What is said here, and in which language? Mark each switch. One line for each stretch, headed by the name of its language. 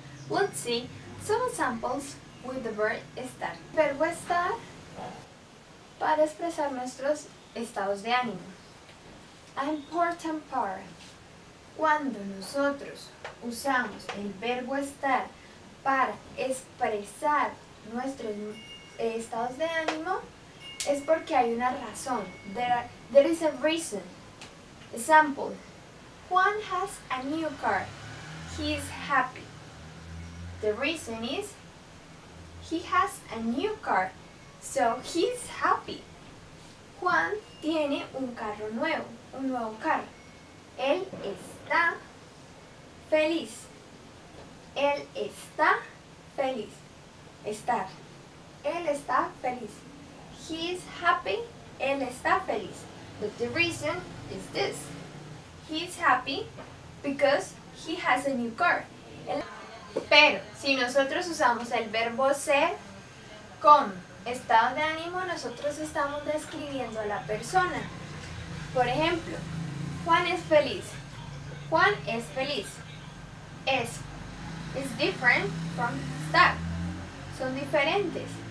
English: Let's see some examples with the verb estar.
Spanish: El verbo estar para expresar nuestros estados de ánimo.
English: An important part.
Spanish: Cuando nosotros usamos el verbo estar para expresar nuestros estados de ánimo, es porque hay una razón.
English: There is a reason. Example. Juan has a new car. He is happy. The reason is he has a new car. So he is happy.
Spanish: Juan tiene un carro nuevo. Un nuevo carro. Él está feliz. Él está feliz. Estar. Él está feliz.
English: He is happy,
Spanish: él está feliz.
English: But the reason is this. He is happy because he has a new car.
Spanish: Pero si nosotros usamos el verbo ser con estado de ánimo, nosotros estamos describiendo a la persona. Por ejemplo, Juan es feliz. Juan es feliz.
English: Is different from estar.
Spanish: Son diferentes.